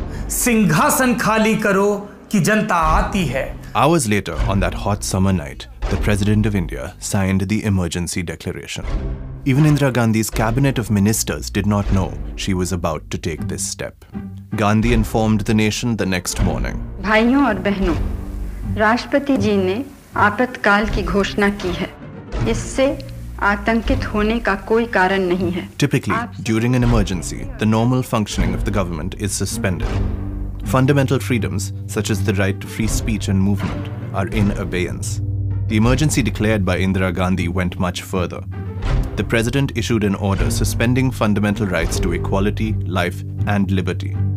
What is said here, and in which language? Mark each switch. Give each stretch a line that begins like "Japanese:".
Hindi: Singhasan khali karo, कि जनता आती है।
English: Hours later, on that hot summer night, the President of India signed the emergency declaration. Even Indira Gandhi's cabinet of ministers did not know she was about to take this step. Gandhi informed the nation the next morning.
Hindi: भाइयों और बहनों, राष्ट्रपति जी ने आपातकाल की घोषणा की है। इससे आतंकित होने का कोई कारण नहीं है।
English: Typically, during an emergency, the normal functioning of the government is suspended. Fundamental freedoms, such as the right to free speech and movement, are in abeyance. The emergency declared by Indira Gandhi went much further. The president issued an order suspending fundamental rights to equality, life, and liberty.